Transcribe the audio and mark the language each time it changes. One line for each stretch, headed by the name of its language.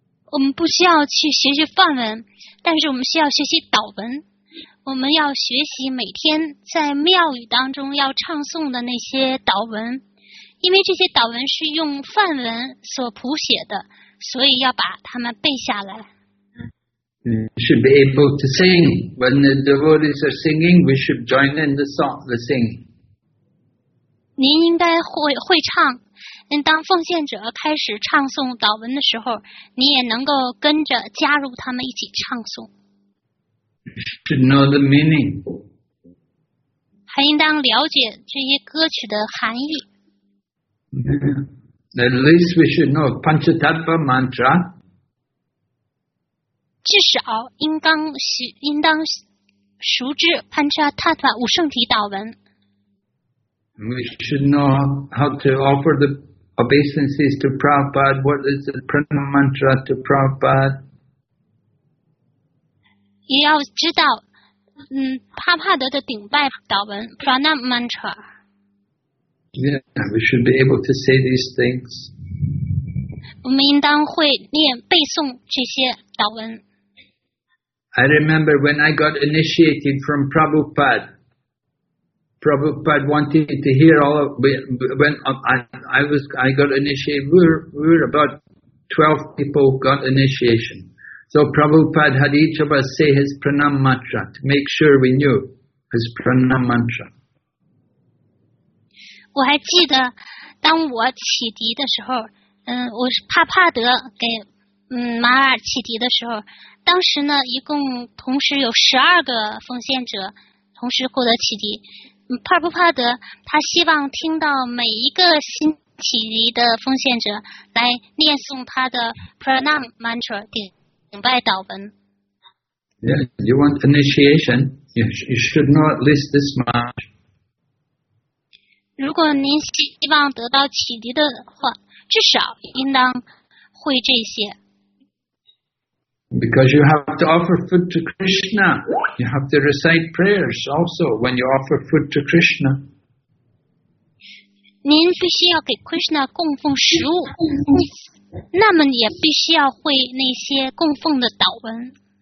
Chinese: 我们不需要去学习梵文，但是我们需要学习祷文。我们要学习每天在庙宇当中要唱诵的那些祷文，因为这些祷文是用梵文所谱写的，所以要把它们背下来。
English: We should be able to sing. When the devotees are singing, we should join in the song, the singing.
Chinese: 您应该 会唱，当奉献者开始唱诵祷文的时候，你也能够跟着加入他们一起唱诵。
English: You should know the meaning.
Chinese: 还应当了解这些歌曲的含义。
English: Yeah. At least we should know Panchatattva mantra.
Chinese: 至少应当熟知 Panchatattva 五圣体祷文。
English: We should know how to offer the obeisances to Prabhupada. What is the pranam mantra to Prabhupada?
Chinese: 也要知道，帕帕德的顶拜祷文 pranam mantra.
English: Yeah, we should be able to say these things.
Chinese: 我们应当会念背诵这些祷文。
English: I remember when I got initiated from Prabhupada. Prabhupada wanted to hear all of when I got initiated. We were about 12 people got initiation. So Prabhupada had each of us say his pranam mantra to make sure we knew his pranam mantra.
Chinese: 我还记得当我启迪的时候，我是帕帕德给马尔启迪的时候。当时呢，一共同时有12个奉献者同时获得启迪。帕布帕德他希望听到每一个新启迪的奉献者来念诵他的 pranam mantra 顶拜祷文。
English: Yeah, you want initiation? You should know at least this much.
Chinese: 如果您希望得到启迪的话，至少应当会这些。
English: Because you have to offer food to Krishna, you have to recite prayers also when you offer food to Krishna.
Chinese: 您必须要给 Krishna 供奉食物，那么也必须要会那些供奉的祷文。